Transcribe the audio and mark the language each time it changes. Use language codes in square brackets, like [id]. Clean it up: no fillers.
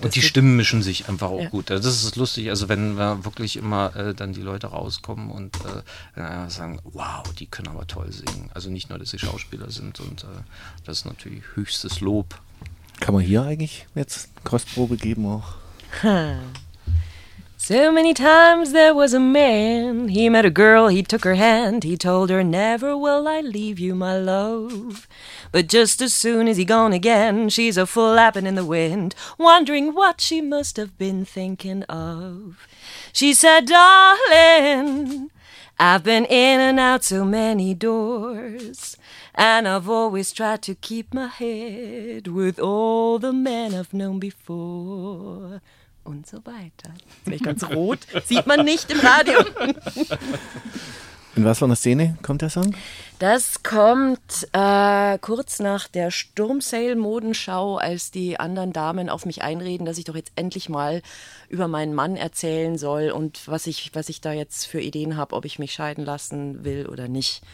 [de] Und die Stimmen mischen sich einfach auch gut. Also das ist lustig, also wenn wir wirklich immer dann die Leute rauskommen und sagen, wow, die können aber toll singen. Also nicht nur, dass sie Schauspieler sind und das ist natürlich höchstes Lob. Kann man hier eigentlich jetzt Kostprobe geben auch? [en] So many times there was a man, he met a girl, he took her hand, he told her, never will I leave you, my love. But just as soon as he gone again, she's a fool lapping in the wind, wondering what she must have been thinking of. She said, darling, I've been in and out so many doors, and I've always tried to keep my head with all the men I've known before. [de] Und so weiter. Jetzt bin ich ganz rot. Sieht man nicht im Radio. In was für einer Szene kommt der Song? Das kommt kurz nach der Sturmsail-Modenschau, als die anderen Damen auf mich einreden, dass ich doch jetzt endlich mal über meinen Mann erzählen soll und was ich da jetzt für Ideen habe, ob ich mich scheiden lassen will oder nicht.